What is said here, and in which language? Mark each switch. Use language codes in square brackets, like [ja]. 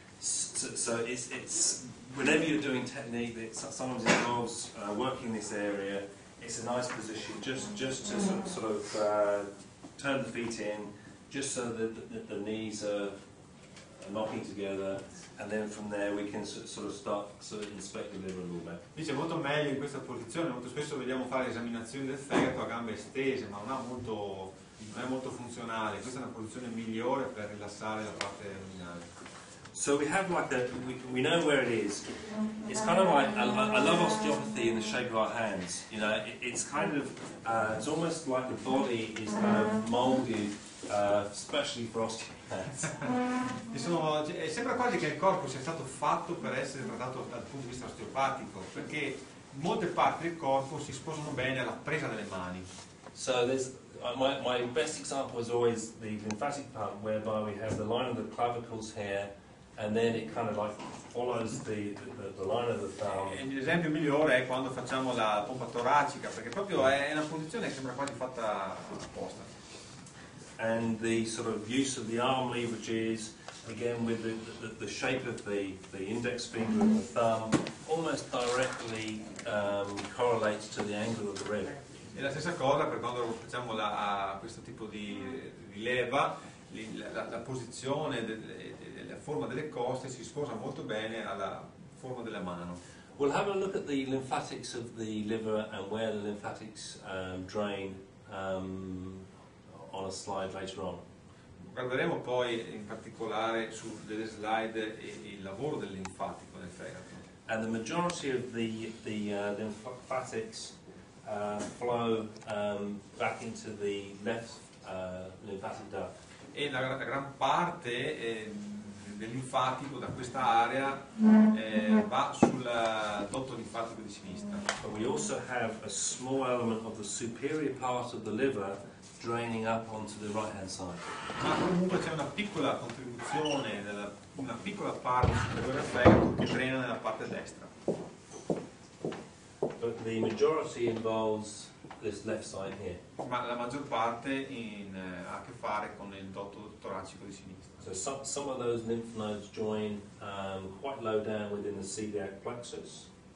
[en] So it's whenever you're doing technique that sometimes involves working this area, it's a nice position just to sort of turn the feet in, just so that the knees are knocking together, and then from there we can sort of inspect the liver a little bit. [it] Dice molto meglio in questa posizione. Molto spesso vediamo fare esaminazioni del fegato a gambe estese, ma non è molto funzionale. Questa è una posizione migliore per rilassare la parte addominale. [en] So we have like that. We know where it is. It's kind of like I love osteopathy in the shape of our hands. You know, it's kind of it's almost like the body is kind of molded, especially for osteopaths. [it] E sembra quasi che il corpo sia stato fatto per essere trattato dal punto di vista osteopatico, perché molte parti del corpo si sposano bene alla presa delle mani. [en] So there's my best example is always the lymphatic part, whereby we have the line of the clavicles here. And then it kind of like follows the line of the thumb. [it] L'esempio migliore è quando facciamo la pompa toracica, perché proprio è una posizione che sembra quasi fatta apposta. [en] And the sort of use of the arm leverages, again with the shape of the index finger and the thumb, almost directly correlates to the angle of the rib. [it] E la stessa cosa per quando facciamo questo tipo di leva, la posizione forma delle coste si sposa molto bene alla forma della mano. [en] We'll have a look at the lymphatics of the liver and where the lymphatics drain on a slide later on. [it] Guarderemo poi in particolare su delle slide il lavoro del linfatico nel fegato. [en] And the majority of the lymphatics flow back into the left lymphatic duct. [it] E la gran parte del linfatico da questa area va sul dotto linfatico di sinistra. [en] But we also have a small element of the superior part of the liver draining up onto the right hand side. [it] Ma comunque c'è una piccola contribuzione, una piccola parte superiore del fegato che drena nella parte destra. [en] But the majority involves this left side here. [it] Ma la maggior parte ha a che fare con il dotto toracico di sinistra. [en] So some of those lymph nodes join quite low down within the celiac plexus.